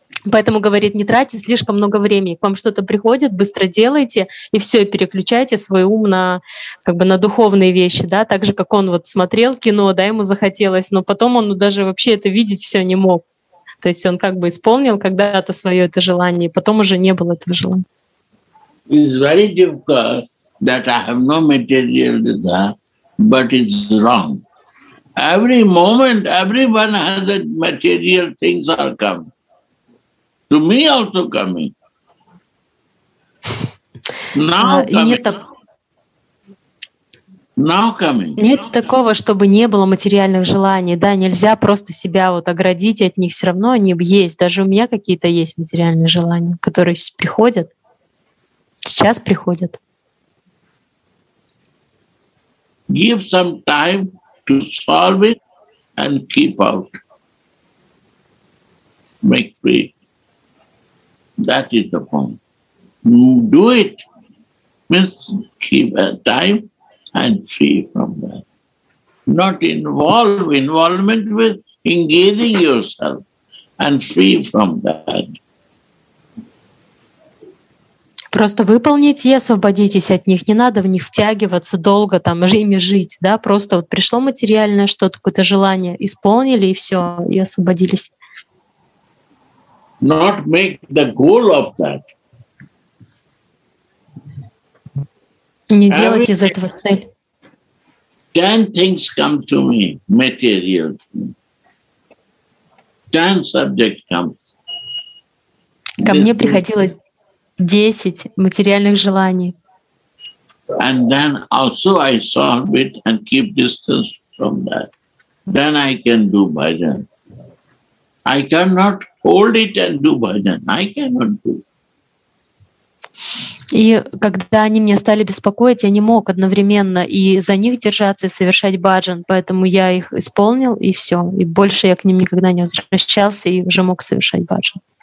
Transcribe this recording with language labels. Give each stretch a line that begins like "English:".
Russian: Поэтому, говорит, не тратьте слишком много времени. К вам что-то приходит, быстро делайте и все, переключайте свой ум на, как бы, на духовные вещи, да, так же, как он вот смотрел кино, да, ему захотелось, но потом он даже вообще это видеть все не мог. То есть он как бы исполнил когда-то свое это желание, потом уже не было этого желания.
English: It's very difficult that I have no material desire, but it's wrong. Every moment, everyone has that material things are coming. To me also coming.
Russian: Нет такого, чтобы не было материальных желаний. Да, нельзя просто себя вот оградить от них. Все равно они есть. Даже у меня какие-то есть материальные желания, которые приходят. Сейчас приходят.
English: Give some time to solve it and keep out. Make free. That is the point. Do it. Means keep a time and free from that. Not involve involvement with engaging yourself and free from that.
Russian: Просто выполните и освободитесь от них. Не надо в них втягиваться долго, там, ими жить. Да? Просто вот пришло материальное что-то, какое-то желание, исполнили и все, и освободились.
English: Not make the goal of that.
Russian: Не делать из этого цель.
English: 10 things come to me, material. 10 subjects come.
Russian: Ко мне приходило 10 материальных желаний.
English: And then also I solve it and keep distance from that. Then I can do by then. I cannot hold it and do bhajan. I cannot do.
Russian: И когда они меня стали беспокоить, я не мог одновременно и за них держаться, и совершать баджан. Поэтому я их исполнил, и все. И больше я к ним никогда не возвращался и уже мог совершать баджан.